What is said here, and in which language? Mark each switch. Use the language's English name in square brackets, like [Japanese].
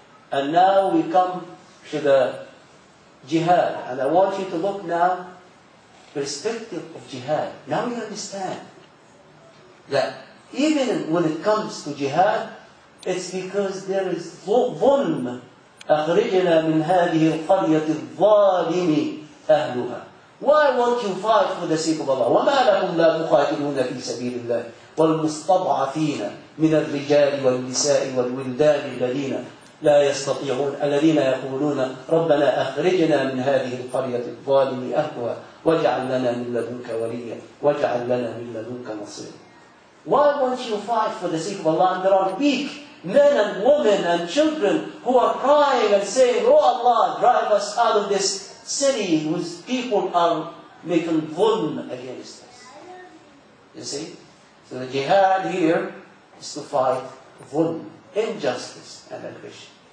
[English] And now we come to the jihad. And I want you to look now, perspective of jihad. Now you understand that even when it comes to jihad, it's because there is ظلم. [Arabic] أخرجنا من هذه القرية الظالم أهلها. [English] Why won't you fight for the sake of Allah? [Arabic] وما لكم لا تقاتلون في سبيل الله والمستضعفين من الرجال والنساء والولدان الذين لا يستطيعون الذين يقولون ربنا أخرجنا من هذه القرية الظالم أهلها واجعل لنا من لدنك وليا واجعل لنا من لدنك نصيرا. [English] Why won't you fight for the sake of Allah? And there are weak men and women and children who are crying and saying, oh Allah, drive us out of this city whose people are making dhulm against us. You see? So the jihad here is to fight dhulm, injustice, and aggression.